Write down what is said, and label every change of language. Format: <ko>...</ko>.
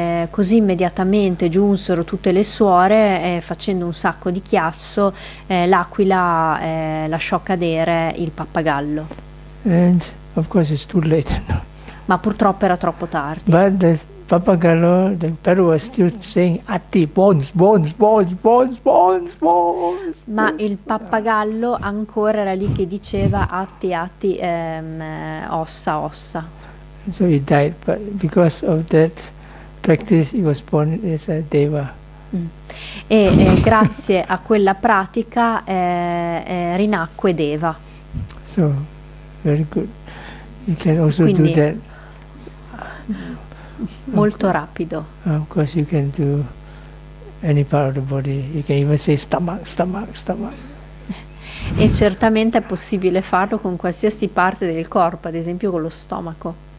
<it>Così immediatamente giunsero tutte le suore facendo un sacco di chiasso, l'aquila lasciò cadere il pappagallo.</it> <en>And of course it's too late. No?</en> <it>Ma purtroppo era troppo tardi.</it> <en>But the pappagallo, the parrot was still saying atti, bones, bones, bones, bones, bones, bones.</en> <it>Ma il pappagallo ancora era lì che diceva atti, atti, ossa, ossa.</it> <en>So he died, but because of that practice he was born as a deva.</en> <it>Grazie a quella pratica rinacque deva.</it> <en>So, very good. You can also</en> <it>quindi,</it> <en>do that.</en> <it>Molto rapido.</it> <en>Of course you can do any part of the body. You can even say stomach, stomach, stomach.</en> <it>E certamente è possibile farlo con qualsiasi parte del corpo, ad esempio con lo stomaco.</it>